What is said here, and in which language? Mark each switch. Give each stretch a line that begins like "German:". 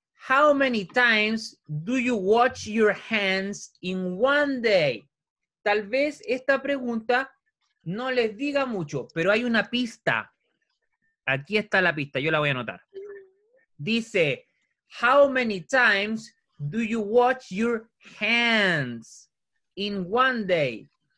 English: How many times do you wash your hands in one day?
Spanish: Tal vez esta pregunta no les diga mucho, pero hay una pista. Aquí está la pista, yo la voy a anotar. Dice,
English: how many times do you wash your hands in one day?